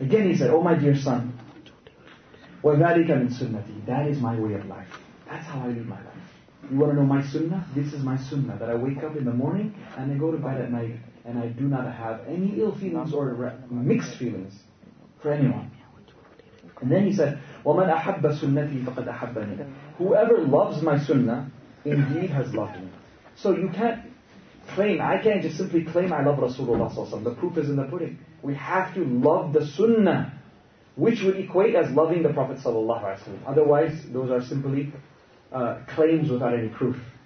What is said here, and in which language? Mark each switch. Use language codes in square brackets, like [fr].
[en] Again he said, "Oh my dear son. وَذَلِكَ مِنْ سُنَّةِ." That is my way of life. That's how I live my life. You want to know my sunnah? This is my sunnah, that I wake up in the morning and I go to bed at night and I do not have any ill feelings or mixed feelings for anyone. [ar] And then he said, وَمَنْ أَحَبَّ سُنَّةِ فَقَدْ أَحَبَّنِ. [en] Whoever loves my sunnah indeed has loved me. So you can't claim, I can't just simply claim I love Rasulullah. The proof is in the pudding. We have to love the sunnah, which would equate as loving the Prophet sallallahu alaihi wasallam. Otherwise, those are simply claims without any proof.